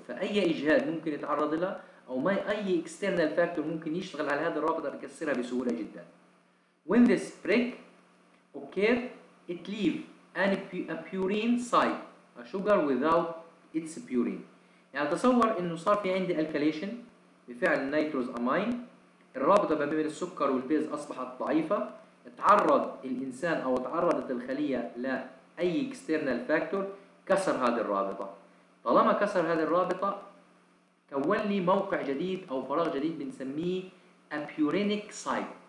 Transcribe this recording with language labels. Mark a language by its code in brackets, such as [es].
[ar] فأي إجهاد ممكن يتعرض لها أو ما أي external factor ممكن يشتغل على هذه الرابطة بكسرها بسهولة جدا. [en] When this break occurs, it leaves an a purine site, a sugar without its purine. [ar] يعني تصور إنه صار في عندي alkylation بفعل nitrous amine، الرابطة ما بين السكر والبيز أصبحت ضعيفة، تعرض الإنسان أو تعرضت الخلية لأي external factor كسر هذه الرابطة. طالما كسر هذه الرابطة كون لي موقع جديد او فراغ جديد بنسميه ابيورينيك سايت.